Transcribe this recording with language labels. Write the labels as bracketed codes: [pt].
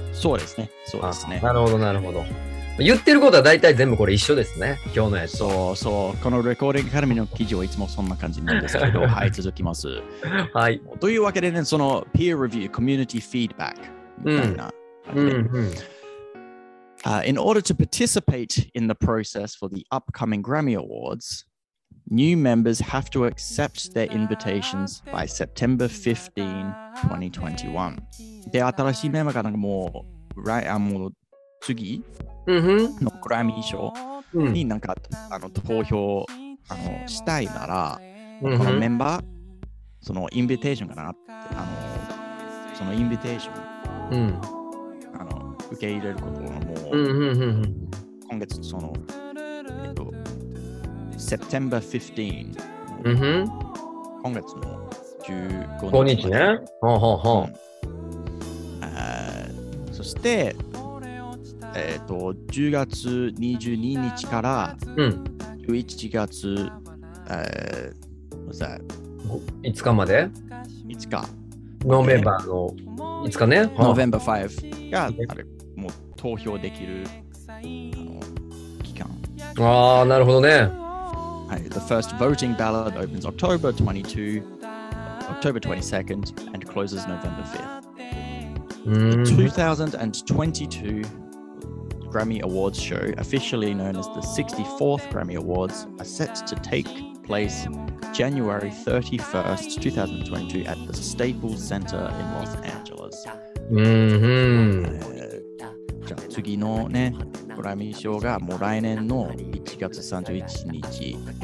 [ja] そうですね。なるほどなるほど。言ってることは大体全部これ一緒ですね、今日のやつ。そうこのレコーディングアカデミーの記事はいつもそんな感じなんですけどはい、続きます、はい、というわけでね、そのピアレビュー、コミュニティフィードバックみたいな、うんうんうん、 [en] In order to participate in the process for the upcoming Grammy Awards, new members have to accept their invitations by September 15, 2021. [ja] で、新しいメンバーがなんかもう、もう次のグラミー賞になんか、うん、あの投票あのしたいなら、うん、このメンバーそのインビテーションかなってあのそのインビテーション、うん、あの受け入れることはもう、うん、今月そのSeptember 15、うん、今月の 15日ね、ほうほうほう、うん、そして10月22日から11月、うん、5日まで 5日ノーベンバーの5日ね、ノーベンバー5が、うん、あれもう投票できるあの期間、あーなるほどね、はい、 [en] The first voting ballot opens October 22, October 22nd, and closes November 5th. The 2022 Grammy Awards show, officially known as the 64th Grammy Awards, are set to take place January 31st, 2022, at the Staples Center in Los Angeles. [ja] じゃあ次のね、グラミー賞がもう来年の1月31日。